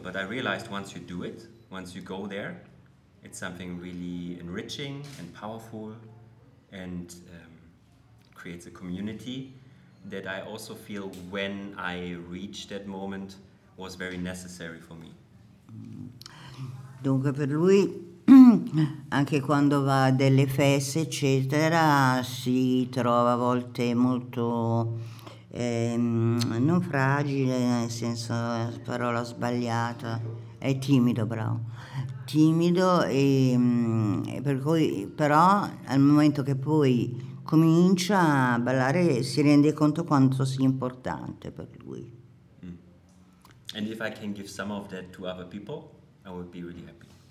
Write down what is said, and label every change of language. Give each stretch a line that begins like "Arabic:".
English: But I realized once you do it, once you go there, it's something really enriching and powerful, and creates a community that I also feel when I reach that moment was very necessary for me.
Italian: Dunque per lui anche quando va a delle feste eccetera si trova a volte molto non fragile nel senso parola sbagliata, è timido, bravo, timido, e per cui però al momento che poi comincia a ballare si rende conto quanto sia importante per lui.
English: And if I can give some of that to other people, I would be really happy.